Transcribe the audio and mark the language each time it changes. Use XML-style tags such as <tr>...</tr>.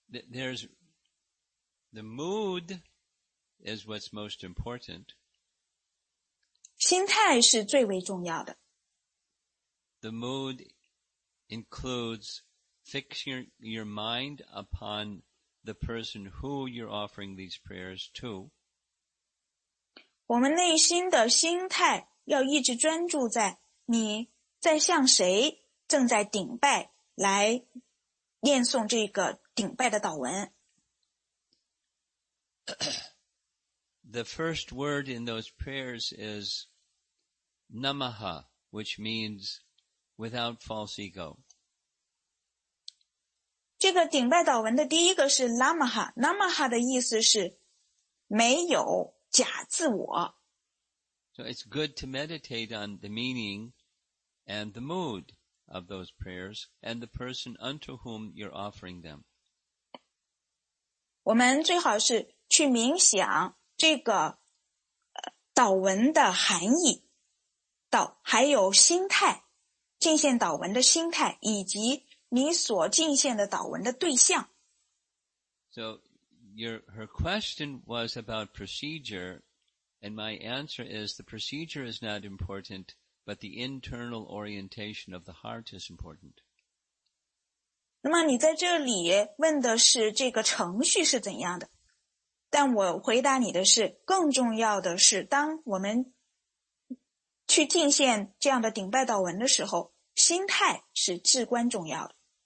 <en>There's the mood is what's most important.</en> <zh>心态是最为重要的。</zh> <en>The mood includes fixing your mind upon the person who you're offering these prayers to.</en> <zh>我们内心的心态要一直专注在你在向谁正在顶拜来念诵这个顶拜的祷文。</zh> <en>The first word in those prayers is Namaha, which means without false ego.</en> <zh>这个顶拜祷文的第一个是 Namaha. Namaha 的意思是没有假自我。</zh> <en>So it's good to meditate on the meaning and the mood of those prayers and the person unto whom you're offering them.</en> <zh>我们最好是去冥想这个祷文的含义，还有心态，敬献祷文的心态，以及你所敬献的祷文的对象。</zh> <en>So, her question was about procedure, and my answer is the procedure is not important, but the internal orientation of the heart is important.</en> <zh>那么你在这里问的是这个程序是怎样的？但我回答你的是，更重要的是，当我们去敬献这样的顶拜祷文的时候，心态是至关重要的。</zh>